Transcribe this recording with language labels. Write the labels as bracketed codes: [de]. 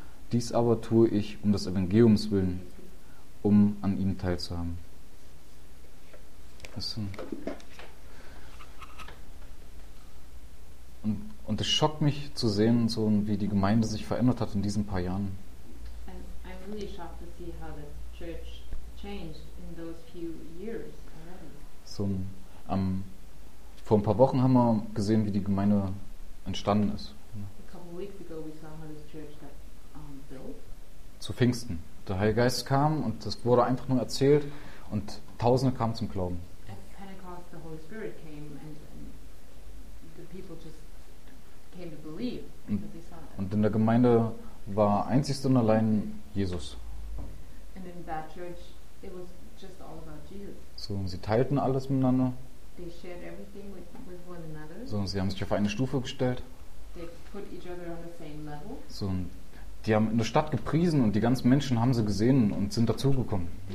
[de] Dies aber tue ich um des Evangeliums willen, um an ihm teilzuhaben. Und es schockt mich zu sehen, so wie die Gemeinde sich verändert hat in diesen paar Jahren. [en] I'm really shocked to see how the church changed in those few years already. [de] So, vor ein paar Wochen haben wir gesehen, wie die Gemeinde entstanden ist. [en] A couple weeks ago we saw how this church got built. [de] Zu Pfingsten. Der Heilige Geist kam und das wurde einfach nur erzählt und Tausende kamen zum Glauben. [en] At Pentecost the Holy Spirit came and the people just came to believe. [de] Und in der Gemeinde war einzigst und allein Jesus. [en] And in that church it was just all about Jesus. [de] So, sie teilten alles miteinander. [en] They shared everything with one another. [de] So, sie haben sich auf eine Stufe gestellt. [en] They put each other on the same level. [de] So, die haben in der Stadt gepriesen und die ganzen Menschen haben sie gesehen und sind dazugekommen.